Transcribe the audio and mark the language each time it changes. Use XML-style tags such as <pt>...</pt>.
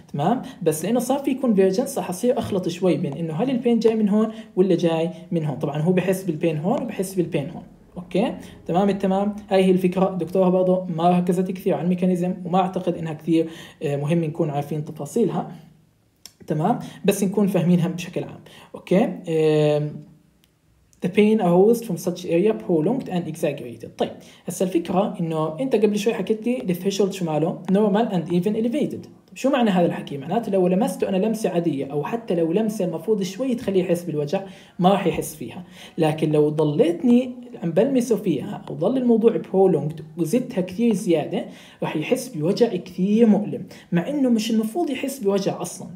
<ar>تمام، بس لانه صار في كونفرجنس رح اصير اخلط شوي بين انه هل البين جاي من هون ولا جاي من هون. طبعا هو بحس بالبين هون وبحس بالبين هون. اوكي تمام، التمام، هاي هي الفكره. دكتوره برضه ما ركزت كثير على الميكانيزم وما اعتقد انها كثير مهم نكون عارفين تفاصيلها. تمام، بس نكون فاهمينها بشكل عام.</ar> <en>Okay, the pain arose from such area prolonged and exaggerated.</en> <ar>طيب هسه الفكره انه انت قبل شوي حكيت لي the threshold شماله</ar> <en>normal and even elevated.</en> <ar>طيب شو معنى هذا الحكي؟ معناته لو لمسته انا لمسه عاديه او حتى لو لمسه المفروض شوي تخليه يحس بالوجع ما راح يحس فيها، لكن لو ضليتني عم بلمسه فيها او ضل الموضوع prolonged وزدتها كثير زياده راح يحس بوجع كثير مؤلم، مع انه مش المفروض يحس بوجع اصلا.</ar>